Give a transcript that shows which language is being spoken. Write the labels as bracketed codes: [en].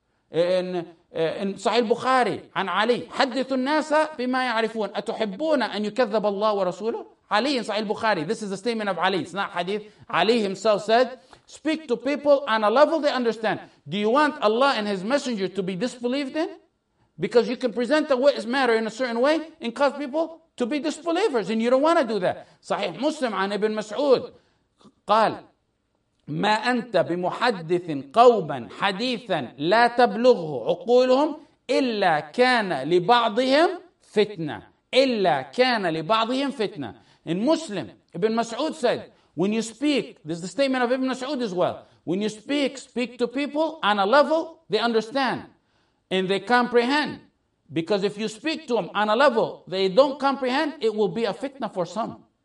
[en] In Sahih Bukhari, [ar] عن علي, حدثوا الناس بما يعرفون, أتحبون أن يكذب الله ورسوله؟ [en] علي in Sahih Bukhari, this is a statement of Ali, it's not hadith. Ali himself said, speak to people on a level they understand. Do you want Allah and His Messenger to be disbelieved in? Because you can present a witness matter in a certain way and cause people to be disbelievers, and you don't want to do that. [ar] Sahih Muslim عن ابن مسعود قال, ما أنت بمحدث قوما حديثا لا تبلغه عقولهم إلا كان لبعضهم فتنة. إلا كان لبعضهم فتنة. [en] In Muslim, Ibn Mas'ud said, when you speak, this is the statement of Ibn Mas'ud as well, when you speak to people on a level they understand and they comprehend. Because if you speak to them on a level they don't comprehend, it will be a fitna for some.